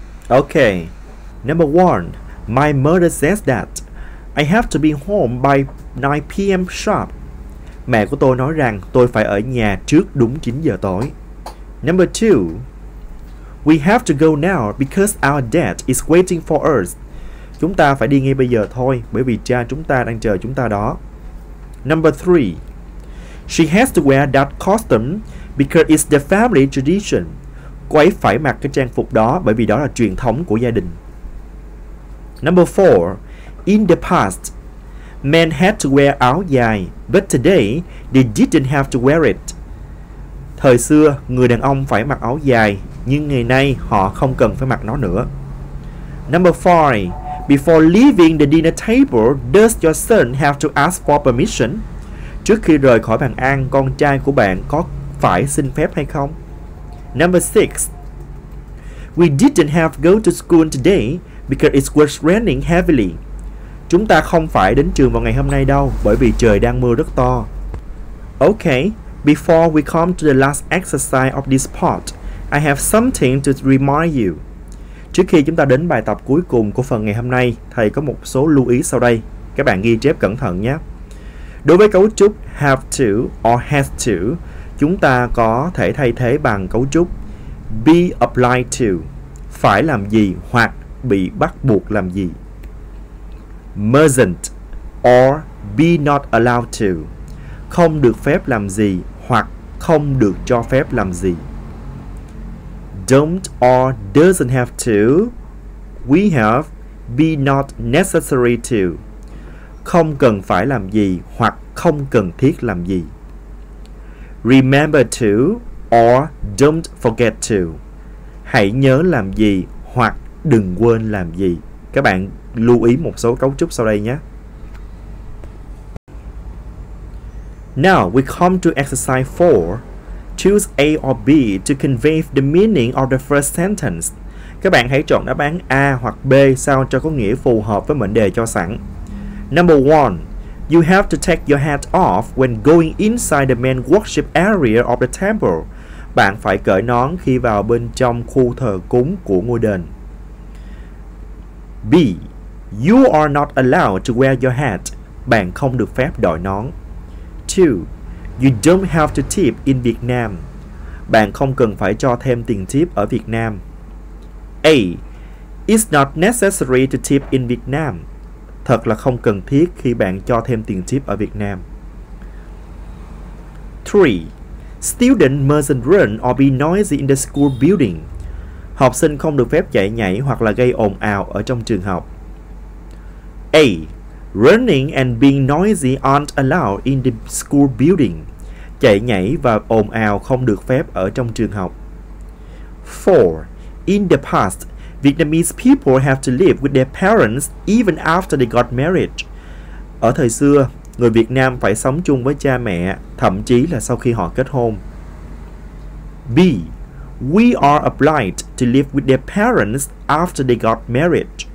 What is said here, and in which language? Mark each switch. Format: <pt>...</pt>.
<en>Okay. Number one, my mother says that I have to be home by 9 p.m. sharp.</en> <vi>Mẹ của tôi nói rằng tôi phải ở nhà trước đúng 9 giờ tối.</vi> <en>Number two, we have to go now because our dad is waiting for us.</en> <vi>Chúng ta phải đi ngay bây giờ thôi bởi vì cha chúng ta đang chờ chúng ta đó.</vi> <en>Number three, she has to wear that costume because it's the family tradition.</en> <vi>Cô ấy phải mặc cái trang phục đó bởi vì đó là truyền thống của gia đình.</vi> <en>Number four, in the past, men had to wear áo dài, but today they didn't have to wear it.</en> <vi>Thời xưa, người đàn ông phải mặc áo dài, nhưng ngày nay họ không cần phải mặc nó nữa.</vi> <en>Number five, before leaving the dinner table, does your son have to ask for permission?</en> <vi>Trước khi rời khỏi bàn ăn, con trai của bạn có phải xin phép hay không?</vi> <en>Number six, we didn't have to go to school today because it was raining heavily.</en> <vi>Chúng ta không phải đến trường vào ngày hôm nay đâu bởi vì trời đang mưa rất to.</vi> <en>Okay, before we come to the last exercise of this part, I have something to remind you.</en> <vi>Trước khi chúng ta đến bài tập cuối cùng của phần ngày hôm nay, thầy có một số lưu ý sau đây. Các bạn ghi chép cẩn thận nhé. Đối với cấu trúc have to or has to, chúng ta có thể thay thế bằng cấu trúc be applied to, phải làm gì hoặc bị bắt buộc làm gì.</vi> <en>Mustn't or be not allowed to,</en> <vi>không được phép làm gì hoặc không được cho phép làm gì.</vi> <en>Don't or doesn't have to, we have be not necessary to,</en> <vi>không cần phải làm gì hoặc không cần thiết làm gì.</vi> <en>Remember to or don't forget to,</en> <vi>hãy nhớ làm gì hoặc đừng quên làm gì. Các bạn lưu ý một số cấu trúc sau đây nhé.</vi> <en>Now we come to exercise 4. Choose A or B to convey the meaning of the first sentence.</en> <vi>Các bạn hãy chọn đáp án A hoặc B sao cho có nghĩa phù hợp với mệnh đề cho sẵn.</vi> <en>Number 1. You have to take your hat off when going inside the main worship area of the temple.</en> <vi>Bạn phải cởi nón khi vào bên trong khu thờ cúng của ngôi đền.</vi> <en>B. You are not allowed to wear your hat.</en> <vi>Bạn không được phép đội nón.</vi> <en>2. You don't have to tip in Vietnam.</en> <vi>Bạn không cần phải cho thêm tiền tip ở Việt Nam.</vi> <en>A. It's not necessary to tip in Vietnam.</en> <vi>Thật là không cần thiết khi bạn cho thêm tiền tip ở Việt Nam.</vi> <en>3. Students mustn't run or be noisy in the school building.</en> <vi>Học sinh không được phép chạy nhảy hoặc là gây ồn ào ở trong trường học.</vi> <en>A. Running and being noisy aren't allowed in the school building.</en> <vi>Chạy nhảy và ồn ào không được phép ở trong trường học.</vi> <en>4. In the past, Vietnamese people have to live with their parents even after they got married.</en> <vi>Ở thời xưa, người Việt Nam phải sống chung với cha mẹ, thậm chí là sau khi họ kết hôn.</vi> <en>B. We are obliged to live with their parents after they got married.</en>